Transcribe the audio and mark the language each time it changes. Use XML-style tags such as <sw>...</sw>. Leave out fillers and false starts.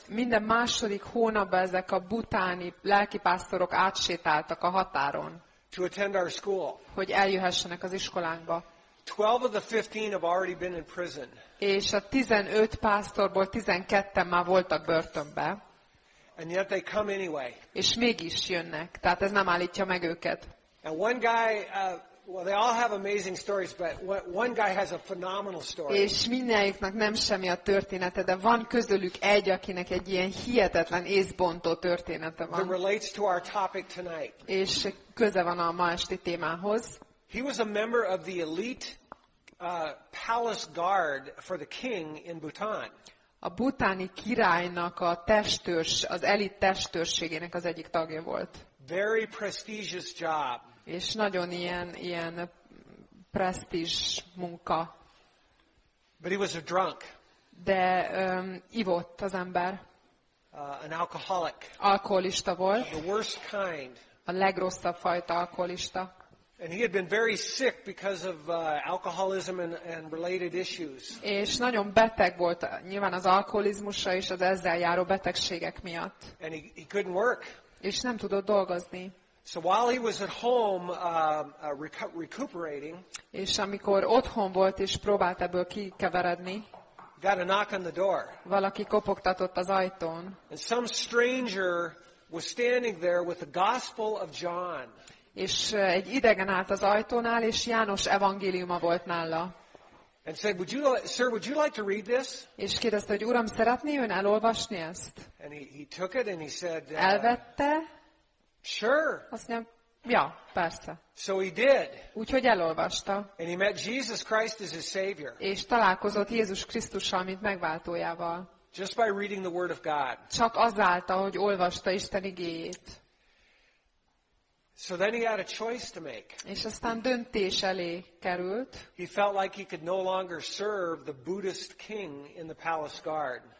<hu>Minden második hónapban ezek a bhutáni lelkipásztorok átsétáltak a határon.</hu> <en>To attend our school.</en> <hu>Hogy eljöhessenek az iskolánkba.</hu> <en>12 of the 15 have already been in prison.</en> <hu>És a 15 pásztorból 12-en már voltak börtönbe.</hu> <en>And yet they come anyway.</en> <hu>És mégis jönnek. Tehát ez nem állítja meg őket.</hu> <en>And one guy, well, they all have amazing stories, but one guy has a phenomenal story.</en> <hu>És mindenkinek nem semmi a története, de van közülük egy, akinek egy ilyen hihetetlen észbontó története van.</hu> <en>That relates to our topic tonight.</en> <hu>És köze van a ma esti témához.</hu> <en>He was a member of the elite palace guard for the king in Bhutan.</en> <hu>A bhutáni királynak a testőrs, az elit testőrségének az egyik tagja volt.</hu> <en>Very prestigious job.</en> <hu>És nagyon ilyen presztízs munka.</hu> <en>But he was a drunk.</en> <hu>De ivott az ember.</hu> <en>An alcoholic.</en> <hu>Alkoholista volt.</hu> <en>The worst kind.</en> <hu>A legrosszabb fajta alkoholista.</hu> <en>And he had been very sick because of alcoholism and related issues.</en> <hu>És nagyon beteg volt, nyilván az alkoholizmusa és az ezzel járó betegségek miatt.</hu> <en>And he couldn't work.</en> <hu>És nem tudott dolgozni.</hu> <en>So while he was at home recuperating,</en> <hu>és amikor otthon volt és próbált ebből kikeveredni,</hu> <en>got a knock on the door.</en> <hu>Valaki kopogtatott az ajtón.</hu> <en>And some stranger was standing there with the Gospel of John.</en> <hu>És egy idegen állt az ajtónál, és János evangéliuma volt nála.</hu> <en>And said, would you like to read this?</en> <hu>És kérdezte, hogy Uram, szeretné ön elolvasni ezt?</hu> <en>And he took it and he said,</en> <hu>elvette.</hu> <en>Sure.</en> <hu>Azt mondja, ja, persze.</hu> <en>So he did.</en> <hu>Úgyhogy elolvasta.</hu> <en>And he met Jesus Christ as his savior.</en> <hu>És találkozott Jézus Krisztussal, mint megváltójával.</hu> <en>Just by reading the word of God.</en> <hu>Csak azáltal, hogy olvasta Isten igéjét.</hu> <en>So then he had a choice to make.</en> <hu>És aztán döntés elé került.</hu> <en>He felt like he could no longer serve the Buddhist king in the palace guard.</en>